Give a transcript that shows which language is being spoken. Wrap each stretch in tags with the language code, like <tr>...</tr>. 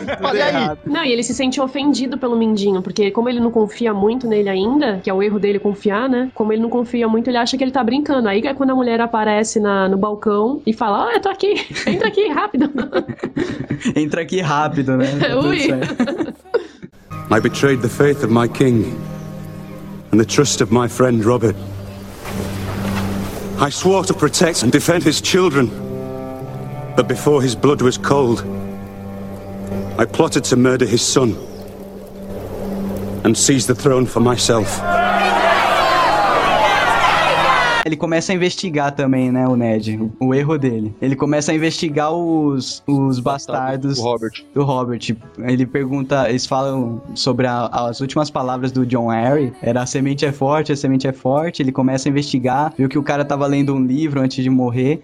<pt>Olha aí. Não, e ele se sente ofendido pelo Mindinho, porque como ele não confia muito nele ainda, que é o erro dele confiar, né, como ele não confia muito, ele acha que ele tá brincando. Aí é quando a mulher aparece no balcão e fala, ó, eu tô aqui, entra aqui, rápido. Entra aqui, rápido, né. É, ui.</pt> <en>I betrayed the faith of my king and the trust of my friend Robert. I swore to protect and defend his children, but before his blood was cold, I plotted to murder his son and seize the throne for myself.</en> <pt>ele começa a investigar também, né, o Ned, o erro dele. Ele começa a investigar os bastardos. Do Robert. Ele pergunta, eles falam sobre as últimas palavras do John Arryn. Era a semente é forte. Ele começa a investigar, viu que o cara tava lendo um livro antes de morrer.</pt>